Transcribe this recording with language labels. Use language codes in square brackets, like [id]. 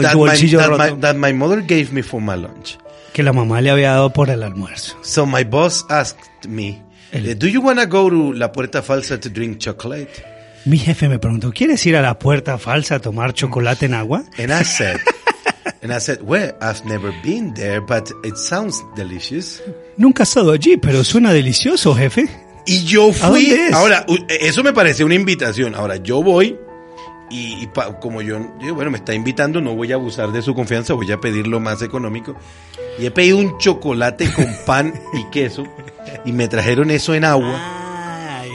[en] That my mother gave me for my lunch. [es] Que la mamá le había dado por el almuerzo. [en] So my boss asked me, do you want to go to La Puerta Falsa to drink chocolate? [es] Mi jefe me preguntó, ¿quieres ir a La Puerta Falsa a tomar chocolate en agua? [en] And I said, well, I've never been there, but it sounds delicious. [es] Nunca he estado allí, pero suena delicioso, jefe. Y yo fui. ¿A dónde es? Ahora, eso me parece una invitación. Ahora, yo voy y me está invitando, no voy a abusar de su confianza, voy a pedir lo más económico. Y he pedido un chocolate con pan y queso y me trajeron eso en agua.